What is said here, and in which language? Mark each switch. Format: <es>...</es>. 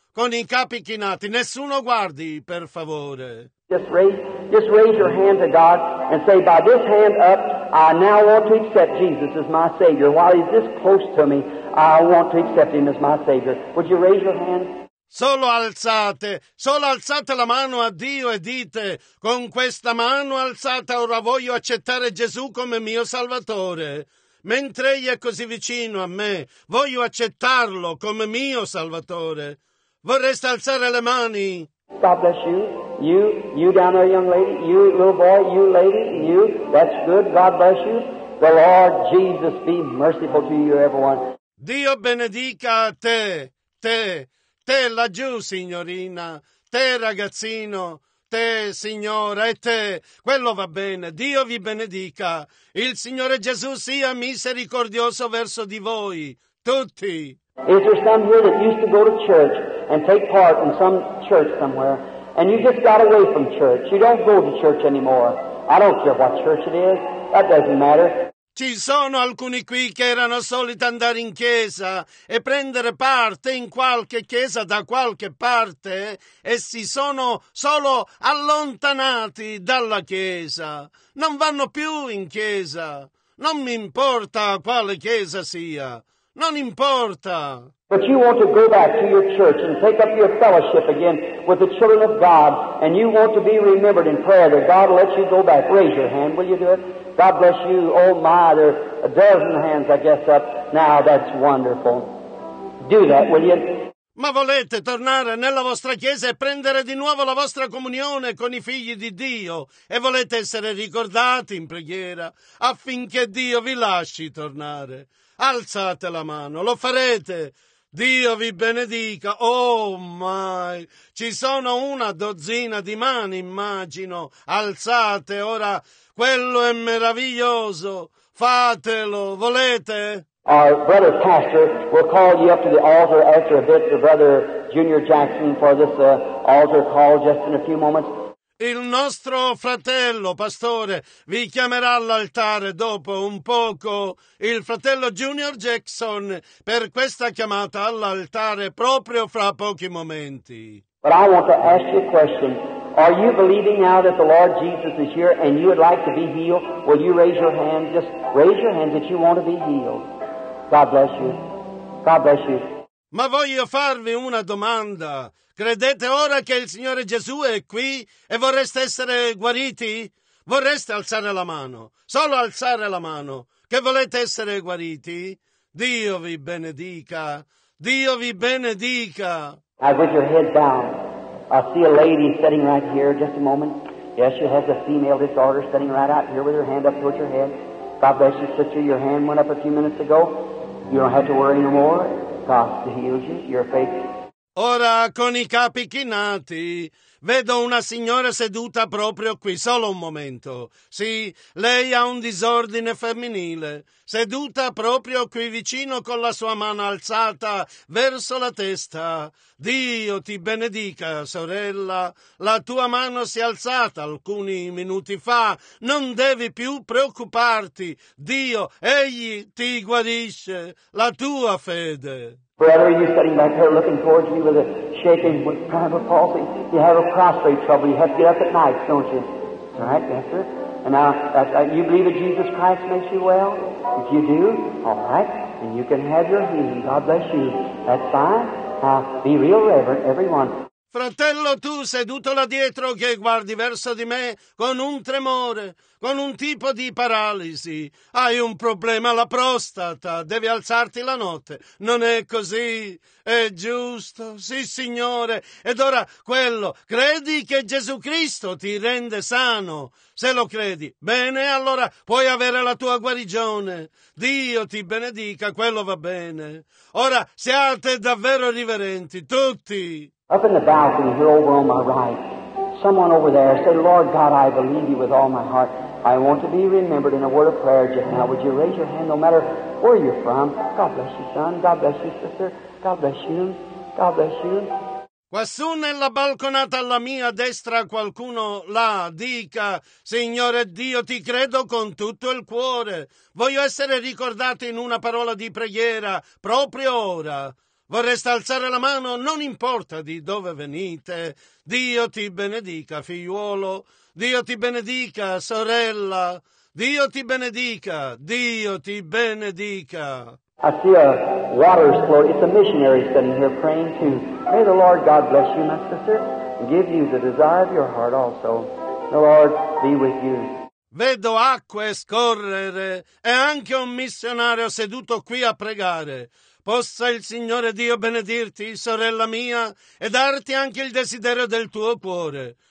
<it>Con i capi chinati, nessuno guardi, per favore.</it> <en>Just raise your hand to God and say, by this hand up, I now want to accept Jesus as my Savior. While he's this close to me, I want to accept him as my Savior. Would you raise your hand?</en> <it>solo alzate la mano a Dio e dite: con questa mano alzata ora voglio accettare Gesù come mio Salvatore. Mentre Egli è così vicino a me, voglio accettarlo come mio Salvatore. Vorreste alzare le mani?</it> <en>God bless you. You down there, young lady. You, little boy. You, lady. You. That's good. God bless you. The Lord Jesus be merciful to you, everyone.</en> <it>Dio benedica te, te, te laggiù, signorina, te ragazzino, te, signora, e te. Quello va bene. Dio vi benedica. Il Signore Gesù sia misericordioso verso di voi, tutti.</it> <en>Is there some here that used to go to church and take part in some church somewhere, and you just got away from church? You don't go to church anymore. I don't care what church it is. That doesn't matter.</en> <it>Ci sono alcuni qui che erano soliti andare in chiesa e prendere parte in qualche chiesa da qualche parte e si sono solo allontanati dalla chiesa. Non vanno più in chiesa. Non mi importa quale chiesa sia. Non importa.</it> <en>But you want to go back to your church and take up your fellowship again with the children of God, and you want to be remembered in prayer that God will let you go back. Raise your hand. Will you do it? God bless you. Oh, my, there are a dozen hands, I guess, up now. That's wonderful. Do that, will you?</en> <it>Ma volete tornare nella vostra chiesa e prendere di nuovo la vostra comunione con i figli di Dio? E volete essere ricordati in preghiera affinché Dio vi lasci tornare? Alzate la mano. Lo farete. Dio vi benedica.</it> <en>Oh, my.</en> <it>Ci sono una dozzina di mani, immagino. Alzate ora. Quello è meraviglioso. Fatelo, volete?</it> <en>Our brother pastor will call you up to the altar after a bit, the brother Junior Jackson, for this altar call just in a few moments.</en> <it>Il nostro fratello pastore vi chiamerà all'altare dopo un poco. Il fratello Junior Jackson per questa chiamata all'altare proprio fra pochi momenti.</it> <en>But I want to ask you a question. Are you believing now that the Lord Jesus is here and you would like to be healed? Will you raise your hand? Just raise your hand that you want to be healed. God bless you. God bless you.</en> <it>Ma voglio farvi una domanda. Credete ora che il Signore Gesù è qui e vorreste essere guariti? Vorreste alzare la mano? Solo alzare la mano. Che volete essere guariti? Dio vi benedica. Dio vi benedica.</it> <en>Now, with your head down, I see a lady sitting right here. Just a moment. Yes, she has a female disorder sitting right out here with her hand up towards her head. God bless you, sister. Your hand went up a few minutes ago. You don't have to worry no more. God heals you. Your faith.</en> <it>Ora con i capi chinati vedo una signora seduta proprio qui. Solo un momento. Sì, lei ha un disordine femminile. Seduta proprio qui vicino con la sua mano alzata verso la testa. Dio ti benedica, sorella. La tua mano si è alzata alcuni minuti fa. Non devi più preoccuparti. Dio, Egli ti guarisce. La tua fede.</it> <en>Brother, are you sitting back here looking towards me with a shaking, with kind of a palsy? You have a prostate trouble. You have to get up at night, don't you? All right, yes, sir. And now, you believe that Jesus Christ makes you well? If you do, all right, then you can have your healing. God bless you. That's fine. Be real reverent, everyone.</en> <it>Fratello, tu seduto là dietro che guardi verso di me con un tremore, con un tipo di paralisi. Hai un problema alla prostata, devi alzarti la notte. Non è così, è giusto, sì signore. Ed ora quello, credi che Gesù Cristo ti rende sano? Se lo credi, bene, allora puoi avere la tua guarigione. Dio ti benedica, quello va bene. Ora siate davvero riverenti, tutti.</it> <en>Up in the balcony here over on my right, someone over there said, Lord God, I believe you with all my heart. I want to be remembered in a word of prayer just now. Would you raise your hand no matter where you're from? God bless you, son. God bless you, sister. God bless you. God bless you.</en> <it>Quassù nella balconata alla mia destra qualcuno là dica, Signore Dio, ti credo con tutto il cuore. Voglio essere ricordato in una parola di preghiera proprio ora. Vorreste alzare la mano? Non importa di dove venite. Dio ti benedica, figliuolo. Dio ti benedica, sorella. Dio ti benedica. Dio ti benedica.</it> <en>I see a water's flowing. It's a missionary sitting here praying too. May the Lord God bless you, my sister, and give you the desire of your heart also. The Lord be with you.</en> <it>Vedo acque scorrere e anche un missionario seduto qui a pregare. Possa il Signore Dio benedirti, sorella mia, e darti anche il desiderio del tuo cuore.</it>